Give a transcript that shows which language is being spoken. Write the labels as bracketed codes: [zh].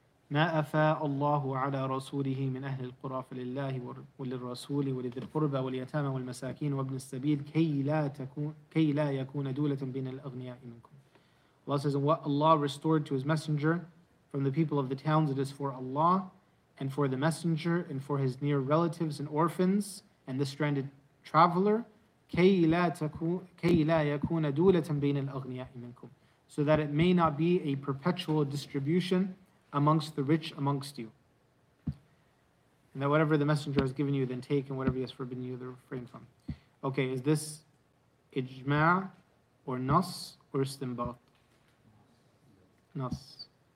[ar] ما أفاء الله على رسوله من أهل القرى فلله وللرسول ولذي القربى واليتامى والمساكين وابن السبيل كي لا يكون دولة بين الأغنياء منكم. [en] Allah says, what Allah restored to His Messenger from the people of the towns, it is for Allah and for the Messenger and for His near relatives and orphans and the stranded traveler. [ar] كي لا يكون دولة بين الأغنياء منكم. [en] So that it may not be a perpetual distribution amongst the rich amongst you. And that whatever the Messenger has given you, then take, and whatever He has forbidden you, then refrain from. Okay, is this ijma' or nas or istinbat? Nas.